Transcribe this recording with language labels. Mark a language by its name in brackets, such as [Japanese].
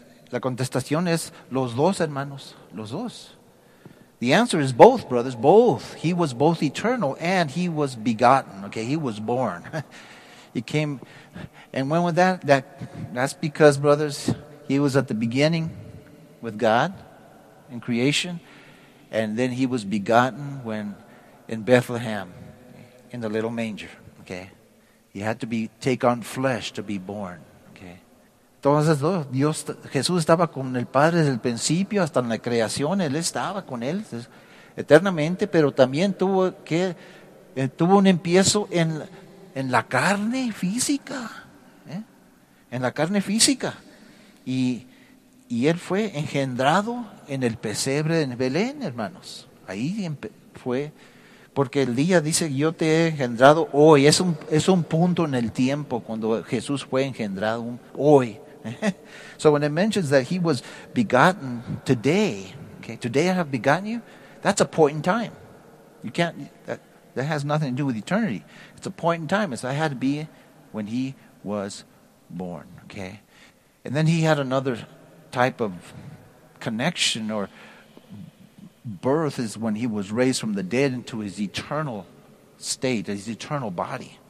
[Spanish] La contestación es los dos, hermanos, los dos. [English] The answer is both, brothers, both. He was both eternal and he was begotten. Okay, he was born. He came, and when was that? That's because, brothers, he was at the beginning with God in creation. And then he was begotten when in Bethlehem, in the little manger. Okay, he had to be take on flesh to be born. [Spanish] Okay, entonces Dios, Jesús estaba con el Padre desde el principio hasta en la creación. Él estaba con él eternamente, pero también tuvo un empiezo en la carne física, en la carne física, y él fue engendrado en el pesebre en Belén, hermanos. Ahí fue, porque el día dice, yo te he engendrado hoy. Es un punto en el tiempo cuando Jesús fue engendrado hoy. [English] So when it mentions that he was begotten today, okay, today I have begotten you, that's a point in time. You can't, that has nothing to do with eternity. It's a point in time. I had to be when he was born, okay. And then he had another type of connection or birth is when he was raised from the dead into his eternal state, his eternal body.